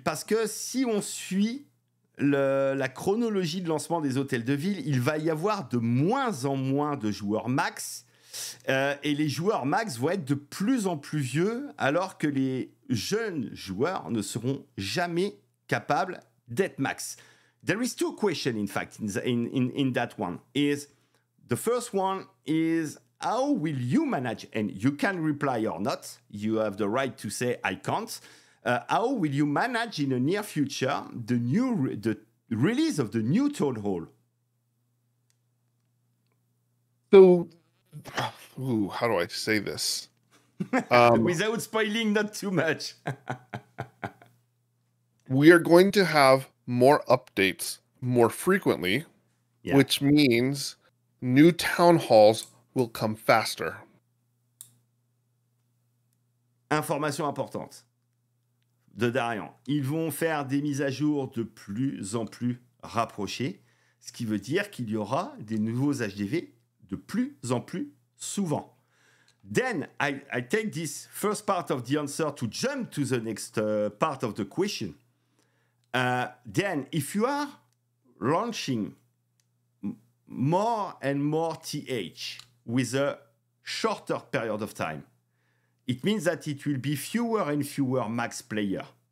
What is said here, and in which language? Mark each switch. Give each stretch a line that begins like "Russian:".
French: Parce que si on suit la chronologie de lancement des hôtels de ville, il va y avoir de moins en moins de joueurs max. Et les joueurs max vont être de plus en plus vieux, alors que les jeunes joueurs ne seront jamais capables d'être max.
English: There is two questions, in fact, in that one. Is the first one is, how will you manage, and you can reply or not, you have the right to say I can't, how will you manage in the near future the release of the new Town Hall? So, how do I say this? without spoiling not too much. We are going to have more updates more frequently, yeah, which means new Town Halls will come faster.
French: Information importante de Darian. Ils vont faire des mises à jour de plus en plus rapprochées, ce qui veut dire qu'il y aura des nouveaux HDV de plus en plus souvent.
English: Then, I take this first part of the answer to jump to the next part of the question. Then, if you are launching more and more TH with a shorter period of time, it means that it will be fewer and fewer max players.